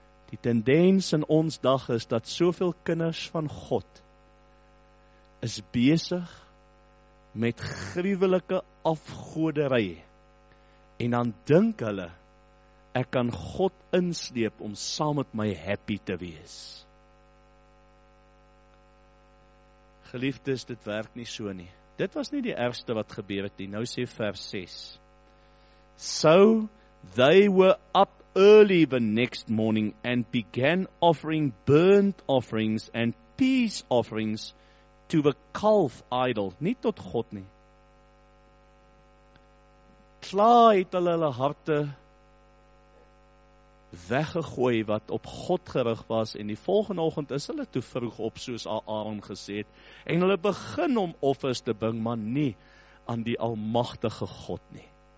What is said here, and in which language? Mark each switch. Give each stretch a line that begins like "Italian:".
Afrikaans: Die tendens in ons dag is dat soveel kinders van God is besig met gruwelike afgodery. En dan dink hulle, ek kan God insleep om saam met my happy te wees. Geliefdes, dit werk nie so nie. Dit was nie die ergste wat gebeur het nie. Nou sê vers 6.
English: So they were up early the next morning and began offering burnt offerings and peace offerings to the calf idol,
Afrikaans: nie tot God nie. Klaar het hulle hulle harte weggegooi wat op God gerig was, en die volgende oggend is hulle te vroeg op, soos Aaron gesê het, en hulle begin om offers te bring, maar nie aan die almagtige God nie.